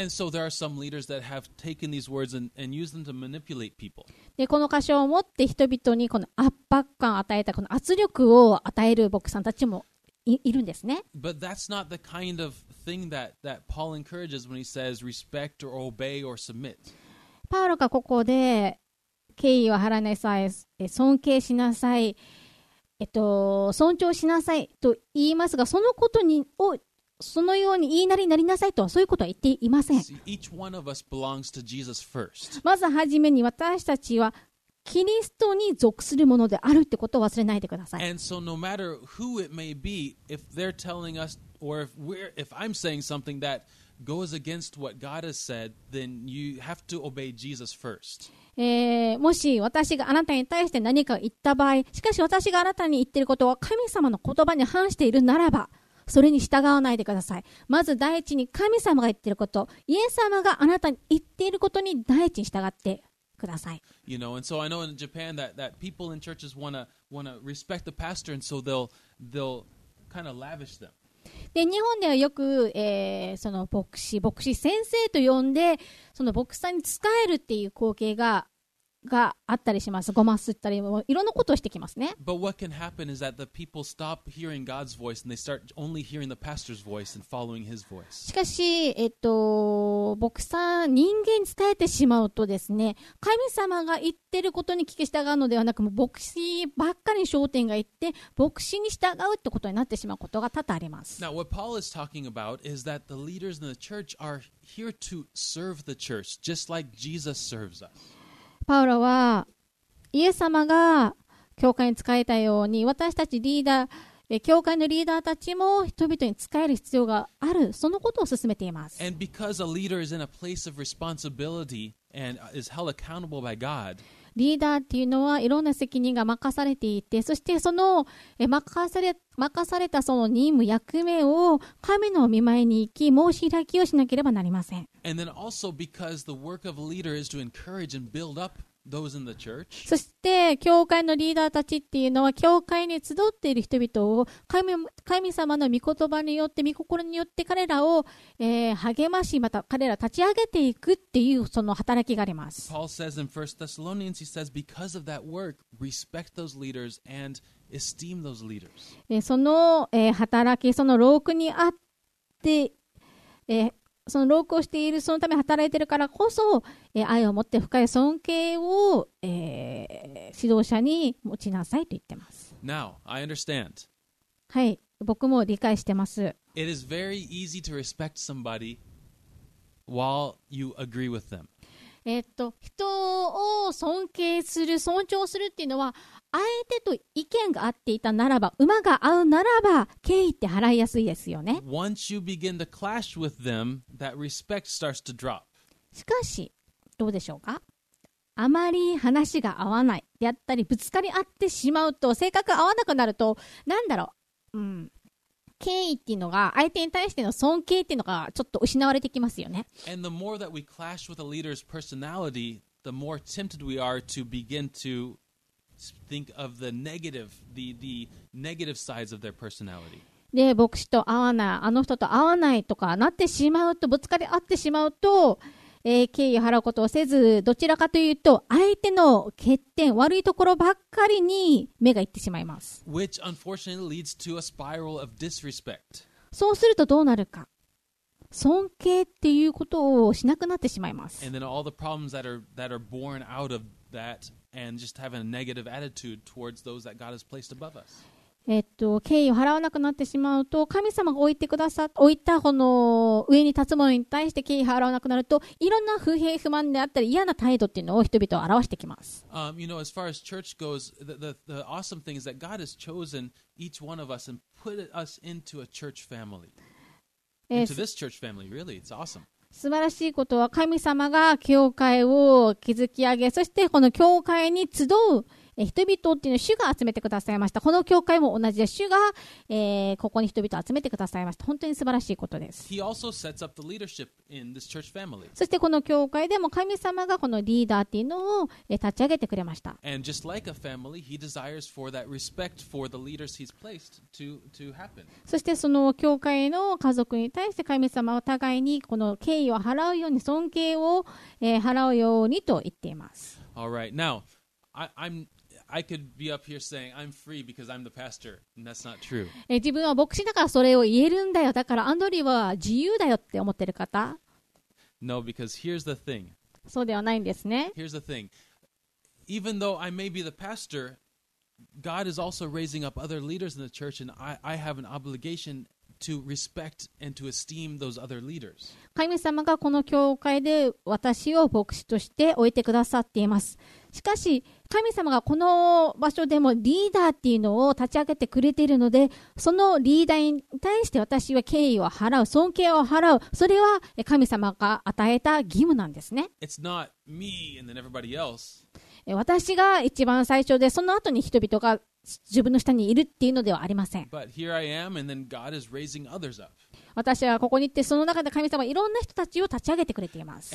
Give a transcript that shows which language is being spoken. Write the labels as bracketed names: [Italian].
[English] And so there are some leaders that have taken these words and used them to manipulate people. [Japanese] で、この箇所を持って人々にこの圧迫感を与えた、この圧力を与える牧師さんたちも いるんですね。 [English] But that's not the kind of thing that Paul encourages when he says respect or obey or submit. [Japanese] パウロがここで、敬意を払いなさい、尊敬しなさい、尊重しなさいと言いますが、そのことにをそのように言いなりになりなさいとはそういうことは言っていません。 [English] Each one of us belongs to Jesus first. [Japanese] まずはじめに私たちはキリストに属するものであるってことを忘れないでください。 [English] And so no matter who it may be, if they're telling us or if I'm saying something that goes against what God has said, then you have to obey Jesus first. [Japanese] もし私があなたに対して何かを言った場合、しかし私があなたに言っていることは神様の言葉に反しているならば、それに従わないでください。まず第一に神様が言っていること、イエス様があなたに言っていることに第一に従ってください。 [English] You know, and so I know in Japan that people in churches wanna respect the pastor, and so they'll kind of lavish them. [Japanese] で日本ではよく、その牧師先生と呼んでその牧師さんに仕えるっていう光景ががあったりします。ごますったりいろんなことをしてきますね。 [English] But what can happen is that the people stop hearing God's voice and they start only hearing the pastor's voice and following his voice. [Japanese] しかし、牧さん人間に伝えてしまうとですね、神様が言ってることに聞き従うのではなく、牧師ばっかりに焦点がいって牧師に従うってことになってしまうことが多々あります。 [English] Now what Paul is talking about is that the leaders in the church are here to serve the church just like Jesus serves us. [Japanese] パウロはイエス様が教会に仕えたように、私たちリーダー、教会のリーダーたちも人々に仕える必要がある、そのことを進めています。 [English] And because a leader is in a place of responsibility and is held accountable by God、 [Japanese] リーダーっていうのはいろんな責任が任されていて、そしてその任されたその任務役目を神の御前に行き申し開きをしなければなりません。 [English] And then also because the work of a leader is to encourage and build up those in the church. [Japanese] そして教会のリーダーたちっていうのは教会に集っている人々を 神様の御言葉によって御心によって彼らを、励まし、また彼らを立ち上げていくっていうその働きがあります。 [English] Paul says in 1 Thessalonians, he says, because of that work, respect those leaders and esteem those leaders. [Japanese] その、働き、その労苦にあって、その労苦をしている、そのため働いているからこそ、愛を持って深い尊敬を、指導者に持ちなさいと言ってます。 [English] Now, I understand. [Japanese] はい、僕も理解してます。 [English] It is very easy to respect somebody while you agree with them. [Japanese] 人を尊敬する、尊重するっていうのは相手と意見が合っていたならば、馬が合うならば、敬意って払いやすいですよね。 [English] Once you begin to clash with them, that respect starts to drop. [Japanese] しかし、どうでしょうか？あまり話が合わない、やったりぶつかり合ってしまうと、性格合わなくなると、なんだろう、敬意っていうのが、相手に対しての尊敬っていうのがちょっと失われてきますよね。 [English] And the more that we clash with a leader's personality, the more tempted we are to begin to... think of the negative, the negative sides of their personality. [Japanese] で、牧師と会わない、あの人と会わないとかなってしまうと、ぶつかり合ってしまうと、敬意を払うことをせず、どちらかというと相手の欠点、悪いところばっかりに目がいってしまいます。 [English] Which unfortunately leads to a spiral of disrespect. [Japanese] そうするとどうなるか。尊敬っていうことをしなくなってしまいます。 [English] And then all the problems that are born out of that. And just having a negative attitude towards those that God has placed above us. [Japanese] 敬意を払わなくなってしまうと、神様が置いたこの上に立つ者に対して敬意を払わなくなると、いろんな不平不満であったり嫌な態度っていうのを人々は表してきます。 [English] You know, as far as church goes, the awesome thing is that God has chosen each one of us and put us into a church family. Into this church family, really, it's awesome. [Japanese] 素晴らしいことは、神様が教会を築き上げ、そしてこの教会に集う人々っていうのを主が集めてくださいました。この教会も同じで、主が、ここに人々を集めてくださいました。本当に素晴らしいことです。 [English] He also sets up the leadership in this church family. [Japanese] そしてこの教会でも神様がこのリーダーっていうのを立ち上げてくれました。 [English] And just like a family, he desires for that respect for the leaders he's placed to happen. [Japanese] そしてその教会の家族に対して神様は互いにこの敬意を払うように、尊敬を、払うようにと言っています。 [English] All right, now I could be up here saying I'm free because I'm the pastor, and that's not true. [Japanese] 自分は牧師だからそれを言えるんだよ。だからアンドリーは自由だよって思ってる方。 [English] No, because here's the thing. [Japanese] そうではないんですね。 [English] Here's the thing. Even though I may be the pastor, God is also raising up other leaders in the church, and I have an obligation. To respect and to esteem those other leaders. [Japanese] 神様がこの教会で私を牧師として置いてくださっています。しかし神様がこの場所でもリーダーっていうのを立ち上げてくれているので、そのリーダーに対して私は敬意を払う、尊敬を払う、それは神様が与えた義務なんですね。 [English] It's not me and then everybody else. [Japanese] 私が一番最初で、その後に人々が自分の下にいるっていうのではありません。 [English] But here I am, and then God is raising others up. [Japanese] 私はここに行って、その中で神様はいろんな人たちを立ち上げてくれています。